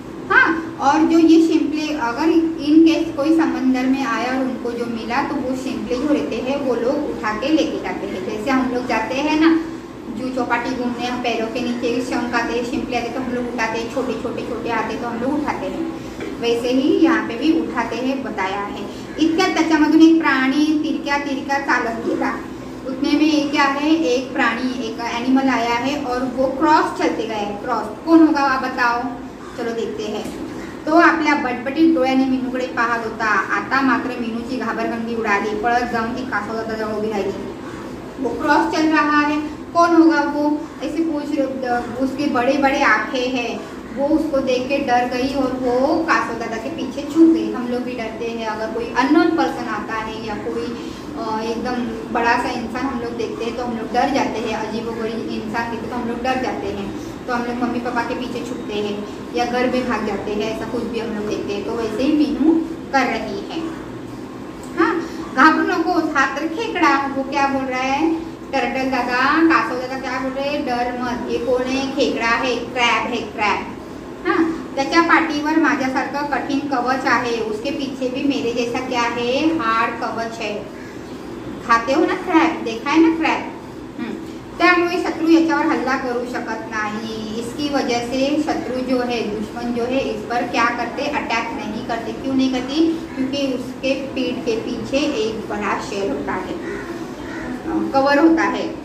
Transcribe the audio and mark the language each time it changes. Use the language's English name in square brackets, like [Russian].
[Hindi] हाँ, और जो ये शिंपले, अगर इन केस कोई समंदर में आया और उनको जो मिला तो वो शिंपले जो रहते हैं वो लोग उठा के लेके जाते हैं। जैसे हम लोग जाते हैं ना जू चौपाटी घूमने, हम पैरों के नीचे शंख आते हैं, शिंपले आते तो हम लोग उठाते हैं, छोटे छोटे छोटे आते तो हम लोग उठाते हैं, वैसे ही यहाँ पे भी उठाते हैं बताया है। [Marathi] इतक्या त्याच्यामधून एक प्राणी तिरक्या तिरक्या चालत गेला। [Hindi] उतने में ये क्या है, एक प्राणी, एक एनिमल आया है और वो क्रॉस चलते गए। क्रॉस कौन होगा आप बताओ, चलो देखते हैं। [Marathi] तो आपल्या बटबटीत डोळ्याने मीनूकडे पाहत होता, आता मात्र मीनूची घाबरगंडी उडाली, पळत जाऊन ती कासव दादाजवळ उभी राहिली। [Hindi] वो क्रॉस चल रहा है, कौन होगा वो, ऐसे पूछ रहे। उसके बड़े बड़े आंखें हैं, वो उसको देख के डर गई और वो कासव दादा के पीछे छुप गई। हम लोग भी डरते हैं अगर कोई अननोन पर्सन आता है या कोई एकदम बड़ा सा इंसान हम लोग देखते हैं तो हम लोग डर जाते हैं, अजीबोगरीब इंसान देखते तो हम लोग डर जाते हैं, तो हम लोग मम्मी पापा के पीछे छुपते हैं या घर में भाग जाते हैं, ऐसा कुछ भी हम लोग देखते हैं। तो वैसे ही मीनू कर रही है। हाँ, घाबरनों को उठाकर खेकड़ा, वो क्या बोल रहा है टर्टल दादा, कासव दादा क्या बोल रहे, डर मत, ये कौन है, खेकड़ा है, क्रैब है, क्रैब। [Marathi] हाँ, त्याच्या पाठीवर माझ्यासारखं कठीण कवच आहे, [Hindi] उसके पीछे भी मेरे जैसा क्या है, हार्ड कवच है। खाते हो ना क्रॅब, देखा है ना क्रॅब, [Marathi] त्यामुळे शत्रू याच्यावर हल्ला करू शकत नाही। [Hindi] इसकी वजह से शत्रु जो है, दुश्मन जो है, इस पर क्या करते, अटैक नहीं करते। क्यों नहीं करती, क्योंकि उसके पीठ के पीछे एक बड़ा शेल होता है, कवर होता है।